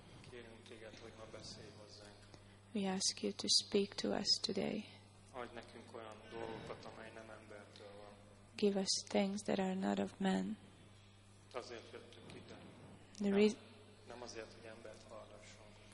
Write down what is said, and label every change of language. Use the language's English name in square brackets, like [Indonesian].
[Hungarian] Kérünk téged, hogy ma beszélj hozzánk. [English] We ask you to speak to us today. [Hungarian] Adj nekünk olyan dolgokat, amely nem embertől van. [English] Give us things that are not of men. [Hungarian] Azért jöttünk ide. Nem azért, hogy embert hallasson.